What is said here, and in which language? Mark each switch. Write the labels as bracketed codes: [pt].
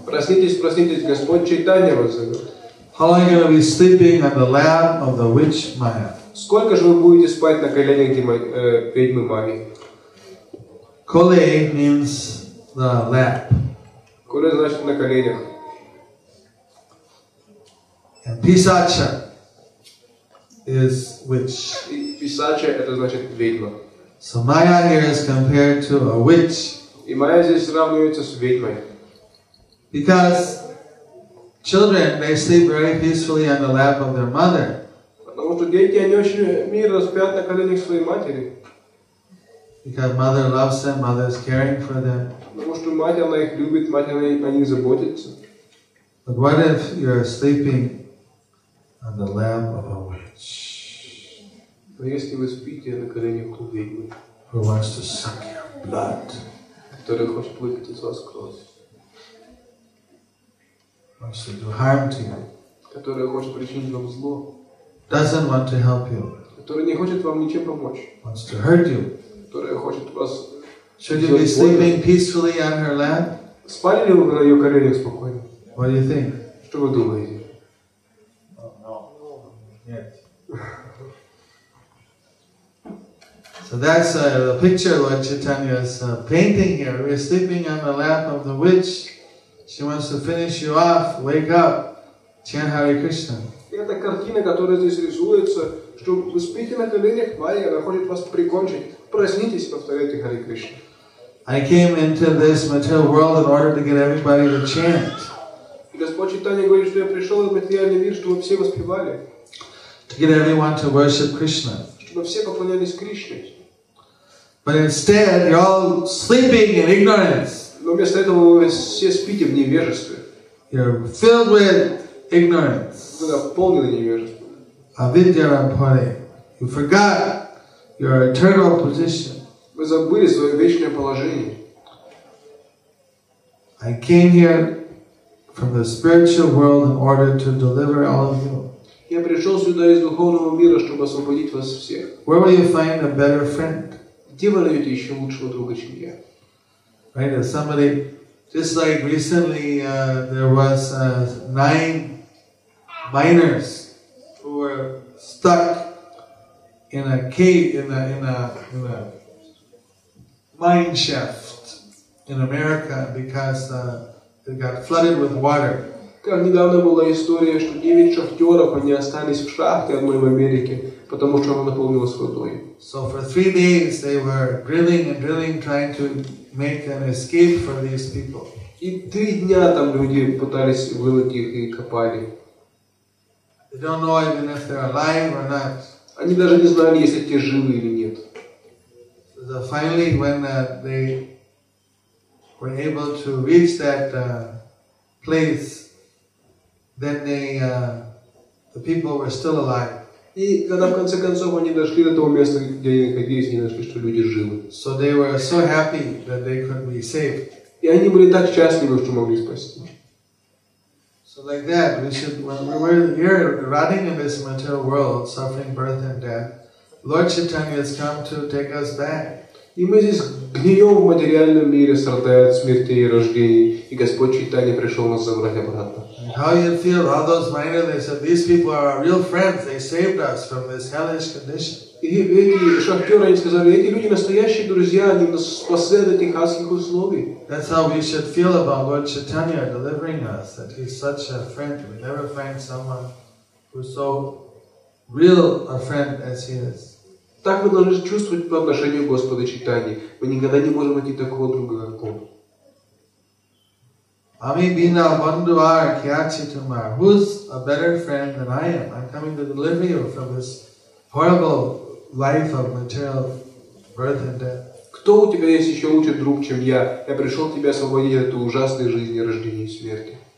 [ru] Проснитесь, Господь Чайтанья вас зовет. [en] How long are you going to be sleeping on the lap of the witch Maya? [ru] Сколько же вы будете спать на коленях ведьмы Майи? Коле means the lap. Коле значит на коленях. [en] And Писача is witch. [ru] Писача это значит ведьма. [en] So Maya here is compared to a witch. [ru] И Майя здесь сравнивается с ведьмой. [en] Because children may sleep very peacefully on the lap of their mother. [ru] Потому что дети они очень мирно спят на коленях своей матери. [en] Because mother loves them, mother is caring for them. [ru] Потому что мать она их любит, мать она о них заботится. [en] But what if you are sleeping on the lap of a witch? [ru] Но если вы спите на коленях у ведьмы, [en] who wants to suck your blood, [ru] который хочет выпить из вас кровь, [en] wants to do harm to you, [ru] который хочет причинить вам зло, [en] doesn't want to help you, [ru] который не хочет вам ничем помочь, [en] wants to hurt you, [ru] который хочет вас, [en] should you be sleeping peacefully on her lap? [ru] Спали ли вы на ее коленях спокойно? [en] What do you think? [ru] Что вы думаете? [en] So that's the picture Lord Chaitanya is painting here. We're sleeping on the lap of the witch. She wants to finish you off. Wake up. Chant Hare Krishna. [ru] Это картина, которая здесь рисуется, что вы спите на коленях Майи, она хочет вас прикончить. Проснитесь, повторяйте Hare Krishna. [en] I came into this material world in order to get everybody to chant. [ru] Господь Чайтанья говорит, что я пришел в материальный мир, чтобы все воспевали. [en] To get everyone to worship Krishna. [ru] Но все поклонялись Кришне. [en] But instead, you're all sleeping in ignorance. [ru] Но вместо этого вы все спите в невежестве. [en] You're filled with ignorance. [ru] Вы наполнены невежеством. [bn] Avidya Rampare. [en] You forgot your eternal position. [ru] Вы забыли свое вечное положение. [en] I came here from the spiritual world in order to deliver all of you. [ru] Я пришел сюда из духовного мира, чтобы освободить вас всех. [en] Where will you find a better friend? [ru] Где вы найдете еще лучшего друга, чем я? [en] Right, if somebody, just like recently, there was 9 miners who were stuck in a cave in a mine shaft in America because it got flooded with water. [ru] Как недавно была история, что 9 шахтеров они остались в шахте одной в Америке, потому что она наполнилась водой. [en] So for 3 days they were drilling and drilling, trying to make an escape for these people. [ru] И 3 дня там люди пытались вылить их и копали. [en] They don't know even if they're alive or not. [ru] Они даже не знали, если те живы или нет. [en] So finally, when they were able to reach that place. Then the people were still alive. [ru] И когда в конце концов они дошли до того места, где они находились, они нашли, что люди живы. [en] So they were so happy that they could be saved. [ru] И они были так счастливы, что могли спасти. [en] So like that, we should, when we were here, running in this material world, suffering birth and death, Lord Chaitanya has come to take us back. [ru] И мы здесь гнием в материальном мире, страдая от смерти и рождения. И Господь Чайтанья пришел нас забрать обратно. [en] How you feel, Radha's mind, and they said, these people are our real friends, they saved us from this hellish condition. That's how we should feel about Lord Chaitanya delivering us, that he's such a friend. We never find someone who's so real a friend as he is. [ru] Так мы должны чувствовать по отношению Господа Чайтаньи. Мы никогда не можем найти такого друга, как он. [bn] Ami bina bandhuar kyachi tumar. [en] Who's a better friend than I am? I'm coming to deliver you from this horrible life of material birth and death. [ru] Кто у тебя есть еще лучший друг, чем я? Я пришел тебя освободить от этой ужасной жизни, рождения и смерти.